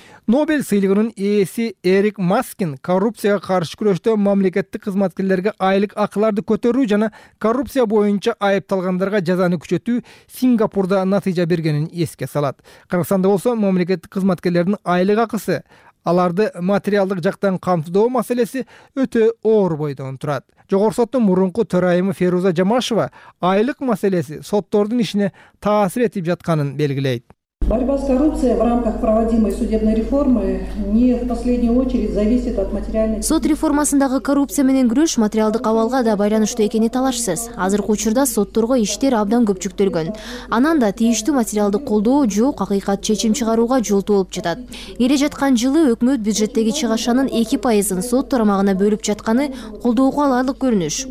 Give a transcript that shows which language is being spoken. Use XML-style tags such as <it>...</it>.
<ky>Нобель сыйлыгынын ээси Эрик Маскин коррупцияга каршы күрөштө мамлекеттик кызматкерлерге айлык акыларды көтөрүү жана коррупция боюнча айыпталгандарга жазаны күчөтүү Сингапурда натыйжа бергенин эске салат. Кыргызстанда болсо мамлекеттик кызматкерлердин айлык акысы, аларды материалдык жактан камтуу маселеси өтө оор бойдон турат. Жогорку соттун мурунку төрайымы Феруза Жамашева айлык маселеси соттордун ишине таасир этип жатканын белгилейт.</ky> <ru>Борьба с коррупцией в рамках проводимой судебной реформы не в последнюю очередь зависит от материальной.</ru> <ky>Сот реформасындагы коррупция менен күрөш материалдык абалга да байланыштуу экени талашсыз. Азыркы учурда сотторго иштер абдан көп жүктөлгөн. Анан да тийиштүү материалдык колдоо жок, акыйкат чечим чыгарууга жол толуп жатат. Келе жаткан жылы өкмөт бюджеттеги чыгашанын 2% сот тармагына бөлүп жатканы колдоого алаарлык көрүнүш.</ky>